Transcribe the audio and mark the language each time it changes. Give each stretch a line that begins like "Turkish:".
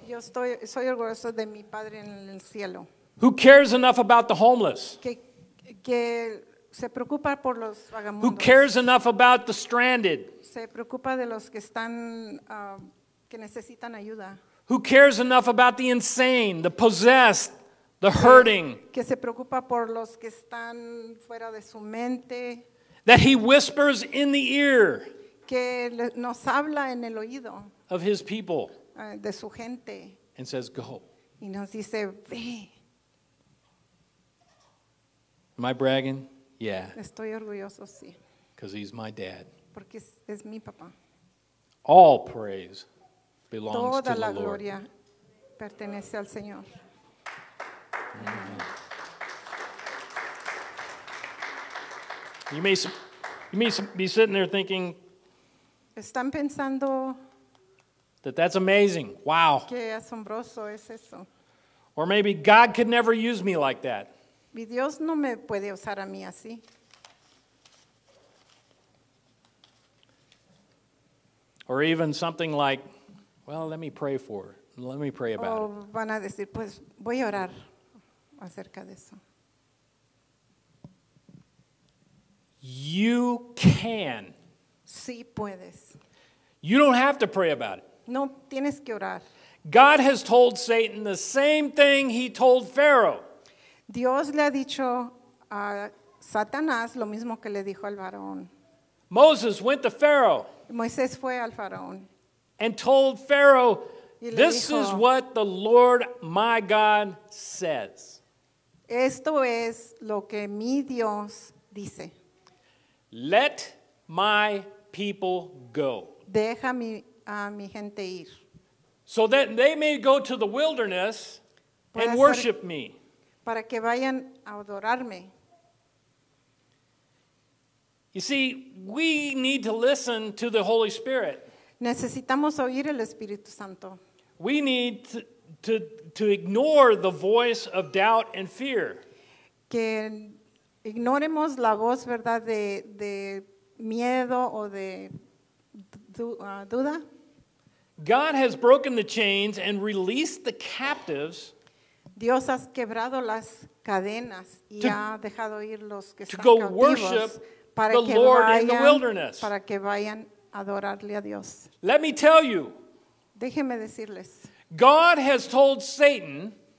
Spanish: Yo soy orgulloso de mi Padre en el cielo.
English: Who cares enough about the homeless?
Spanish: Que se preocupa por los vagamundos.
English: Who cares enough about the stranded?
Spanish: Se preocupa de los que están, que necesitan ayuda.
English: Who cares enough about the insane, the possessed, the hurting?
Spanish: Que se preocupa por los que están fuera de su mente.
English: That he whispers in the ear.
Spanish: Que nos habla en el oído.
English: Of his people.
Spanish: De su gente.
English: And says, go.
Spanish: Y nos dice, ve.
English: Am I bragging? Yeah.
Spanish: Estoy orgulloso, sí.
English: Because he's my dad.
Spanish: Porque es mi papá.
English: All praise belongs
Spanish: toda
English: to the Lord.
Spanish: Toda la gloria pertenece al Señor. Mm-hmm.
English: You may be sitting there thinking.
Spanish: Están pensando.
English: That's amazing. Wow.
Spanish: Qué asombroso es eso.
English: Or maybe God could never use me like that.
Spanish: Y Dios no me puede usar a mí así.
English: Or even something like, well, let me pray for it. Let me pray about it.
Spanish: O van a decir, pues voy a orar acerca de eso.
English: You can.
Spanish: Sí puedes.
English: You don't have to pray about it.
Spanish: No tienes que orar.
English: God has told Satan the same thing he told Pharaoh.
Spanish: Dios le ha dicho a Satanás lo mismo que le dijo al faraón.
English: Moses went to Pharaoh.
Spanish: Moisés fue al faraón.
English: And told Pharaoh, this
Spanish: dijo,
English: is what the Lord my God says.
Spanish: Esto es lo que mi Dios dice.
English: Let my people go.
Spanish: Deja a mi gente ir.
English: So that they may go to the wilderness and worship me.
Spanish: Para que vayan a adorarme.
English: You see, we need to listen to the Holy Spirit.
Spanish: Necesitamos oír el Espíritu Santo.
English: We need to ignore the voice of doubt and fear.
Spanish: Que ignoremos la voz, ¿verdad?, de miedo o de duda.
English: God has broken the chains and released the captives.
Spanish: Dios ha quebrado las cadenas y ha dejado ir los que están cautivos para que
English: Lord
Spanish: vayan
English: in the wilderness.
Spanish: Para que vayan a adorarle a Dios.
English: Let me tell you.
Spanish: Déjenme decirles.
English: God has told Satan